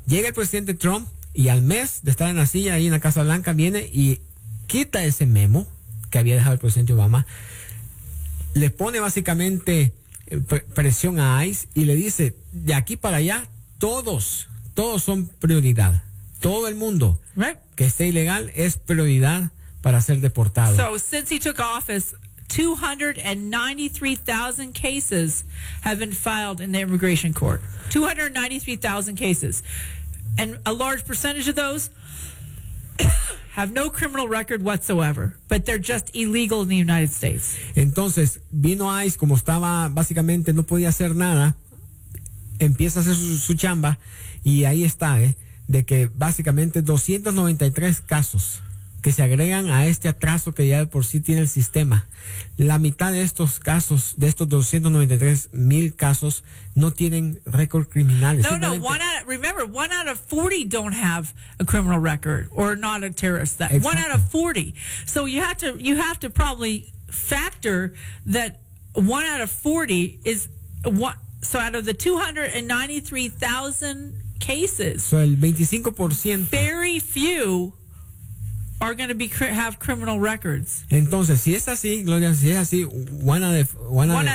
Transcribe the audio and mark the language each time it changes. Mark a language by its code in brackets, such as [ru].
[es] Llega el presidente Trump y al mes de estar en la silla ahí en la Casa Blanca, viene y quita ese memo que había dejado el presidente Obama. Le pone básicamente presión a ICE y le dice, de aquí para allá, todos son prioridad. Todo el mundo que esté ilegal es prioridad para ser deportado. [en] So, since he took office, 293,000 cases have been filed in the immigration court. 293,000 cases. And a large percentage of those have no criminal record whatsoever, but they're just illegal in the United States. [es] Entonces, vino ICE, como estaba básicamente, no podía hacer nada, empieza a hacer su chamba, y ahí está, de que básicamente 293 casos que se agregan a este atraso que ya por sí tiene el sistema. La mitad de estos casos, de estos 293,000 casos, no tienen récord criminal. [en] No, one out of 40 don't have a criminal record or not a terrorist. One out of 40. So you have to probably factor that one out of 40 is one. So out of the 293,000 cases, [es] so el 25%, [en] very few are going to have criminal records. [es] Entonces, si es así, Gloria, si es así, [en] one out of 40.